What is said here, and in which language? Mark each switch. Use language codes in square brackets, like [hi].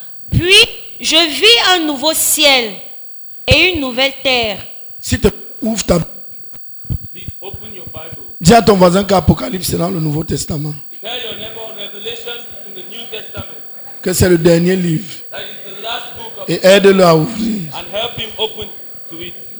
[fr] Puis je vis un nouveau ciel et une nouvelle terre. Si tu ouvres ta [en] Please open your Bible. [fr] Dis à ton voisin qu'Apocalypse est dans le Nouveau Testament. [en] Tell your neighbor Revelation is in the New Testament. [fr] Que c'est le dernier livre. [en] That is the last book of [fr] et aide-le à ouvrir. [en] And help him open to it.